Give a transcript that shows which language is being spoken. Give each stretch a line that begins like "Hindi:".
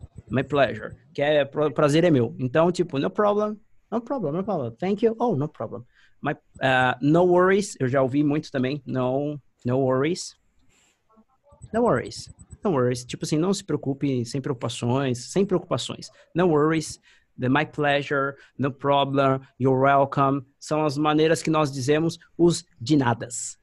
English: My pleasure,
Portuguese: que é prazer é meu. Então, tipo,
English: no problem, no problem, no problem. Thank you. Oh, no problem. No worries,
Portuguese: eu já ouvi muito também.
English: No, no worries. No worries. No worries.
Portuguese: Tipo assim, não se preocupe, sem preocupações, sem preocupações.
English: No worries. My pleasure, no problem, you're welcome.
Portuguese: São as maneiras que nós dizemos os de nadas.